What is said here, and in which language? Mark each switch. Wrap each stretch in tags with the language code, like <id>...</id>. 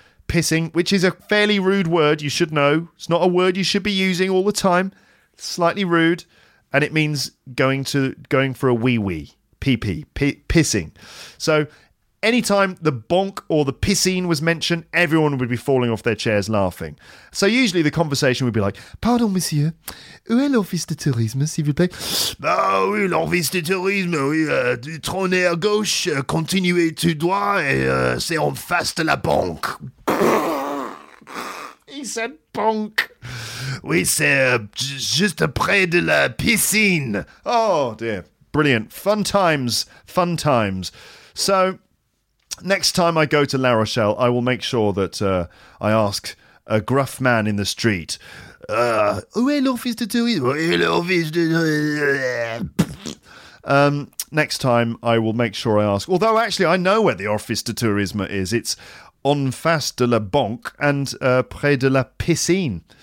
<en>Pissing, which is a fairly rude word, you should know. It's not a word you should be using all the time. It's slightly rude, and it means going for a wee wee. Pee-pee, pissing. So anytime the bonk or the piscine was mentioned, everyone would be falling off their chairs laughing. So usually the conversation would be like,</en> <fr>"Pardon, monsieur, où est l'office de tourisme, s'il vous plaît?" "Ah oui, l'office de tourisme, oui, tournez à gauche, continuez tout droit, et c'est en face de la banque."</fr> <en>He said bonk.</en> <fr>"Oui, c'est juste après de la piscine."</fr> <en>Oh, dear. Brilliant. Fun times. Fun times. So next time I go to La Rochelle, I will make sure that I ask a gruff man in the street,</en> <fr>"Où est l'office de tourisme? Où est l'office de tourisme?"</fr> <en>Next time I will make sure I ask. Although actually I know where the office de tourisme is.</en> <fr>It's en face de la banque and près de la piscine.</fr>